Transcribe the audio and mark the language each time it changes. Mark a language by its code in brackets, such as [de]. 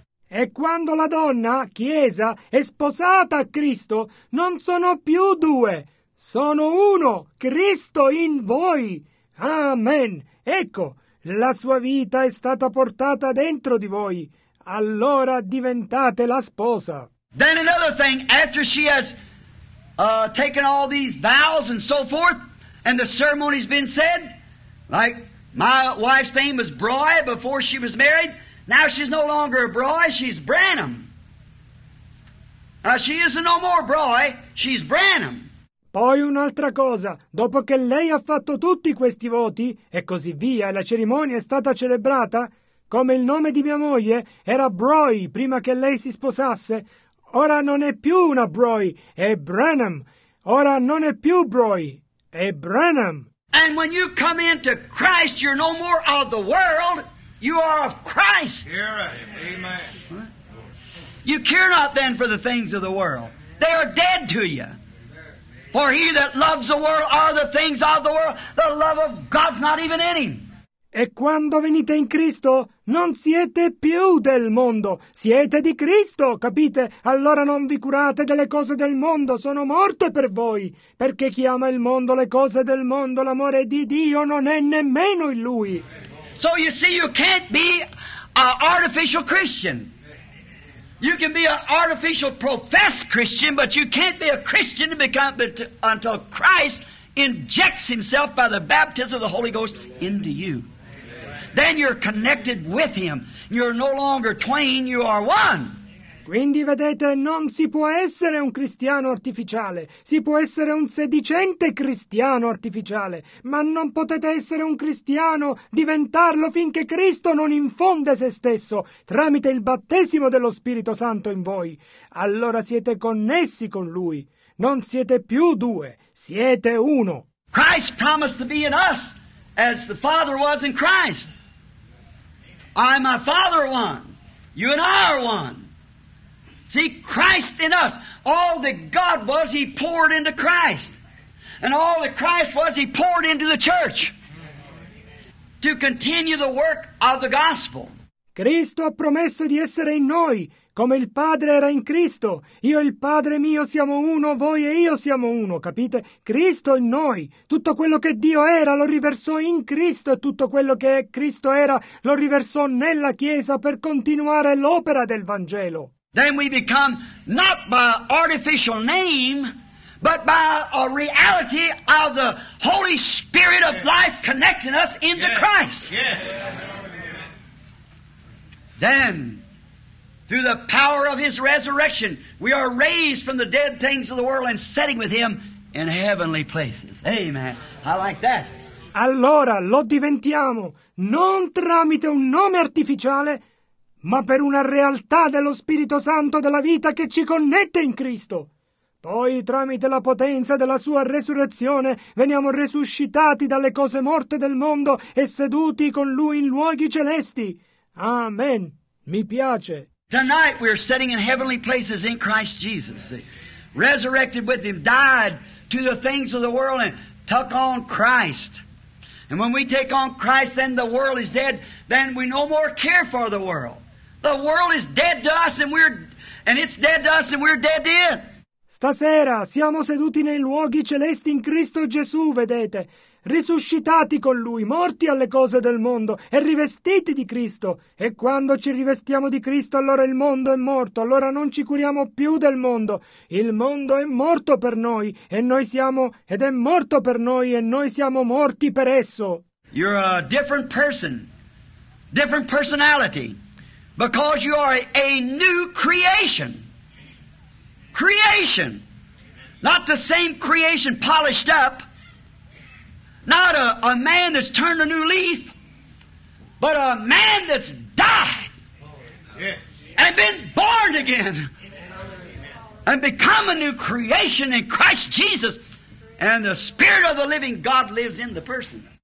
[it] E quando la donna, chiesa, è sposata a Cristo, non sono più due, sono uno, Cristo in voi. Amen. Ecco, la sua vita è stata portata dentro di voi. Allora diventate la sposa. [en] Then another thing, after she has taken all these vows and so forth, and the ceremony's been said, like my wife's name was Broy before she was married, now she's no longer Broy, she's Branham. Now she isn't no more Broy, she's Branham. [it] Poi un'altra cosa, dopo che lei ha fatto tutti questi voti e così via, e la cerimonia è stata celebrata, come il nome di mia moglie era Broy prima che lei si sposasse, ora non è più una Broy, è Branham. Ora non è più Broy, è Branham. [en] And when you come into Christ, you're no more of the world, you are of Christ. You're right. Amen. You care not then for the things of the world. They are dead to you. For he that loves the world are the things of the world. The love of God's not even in him. [it] E quando venite in Cristo, non siete più del mondo, siete di Cristo, capite? Allora non vi curate delle cose del mondo, sono morte per voi, perché chi ama il mondo, le cose del mondo, l'amore di Dio non è nemmeno in lui. [en] So you see, you can't be an artificial Christian. You can be an artificial professed Christian, but you can't be a Christian until Christ injects himself by the baptism of the Holy Ghost into you. Then you're connected with him. You're no longer twain, you are one. [it] Quindi vedete, non si può essere un cristiano artificiale. Si può essere un sedicente cristiano artificiale. Ma non potete essere un cristiano, diventarlo finché Cristo non infonde se stesso tramite il battesimo dello Spirito Santo in voi. Allora siete connessi con lui. Non siete più due, siete uno. [en] Christ promised to be in us as the Father was in Christ. I, my Father, one. You and I are one. See, Christ in us. All that God was, he poured into Christ. And all that Christ was, he poured into the church. To continue the work of the gospel. [it] Cristo ha promesso di essere in noi, come il Padre era in Cristo. Io e il Padre mio siamo uno, voi e io siamo uno, capite? Cristo in noi. Tutto quello che Dio era lo riversò in Cristo e tutto quello che Cristo era lo riversò nella Chiesa per continuare l'opera del Vangelo. [en] Then we become not by artificial name, but by a reality of the Holy Spirit of life connecting us into Christ. Then, through the power of his resurrection, we are raised from the dead things of the world and sitting with him in heavenly places. Amen. I like that. [it] Allora lo diventiamo non tramite un nome artificiale, ma per una realtà dello Spirito Santo della vita che ci connette in Cristo. Poi, tramite la potenza della sua resurrezione, veniamo resuscitati dalle cose morte del mondo e seduti con lui in luoghi celesti. Amen. Mi piace. [en] Tonight we are sitting in heavenly places in Christ Jesus. Resurrected with him, died to the things of the world and took on Christ. And when we take on Christ, then the world is dead. Then we no more care for the world. The world is dead to us and it's dead to us and we're dead to it. [it] Stasera siamo seduti nei luoghi celesti in Cristo Gesù, vedete, risuscitati con Lui, morti alle cose del mondo e rivestiti di Cristo. E quando ci rivestiamo di Cristo, allora il mondo è morto, allora non ci curiamo più del mondo. Il mondo è morto per noi e noi siamo, ed è morto per noi e noi siamo morti per esso. [en] You're a different person, different personality, because you are a new creation. Creation, not the same creation polished up, not a man that's turned a new leaf, but a man that's died and been born again and become a new creation in Christ Jesus, and the Spirit of the living God lives in the person.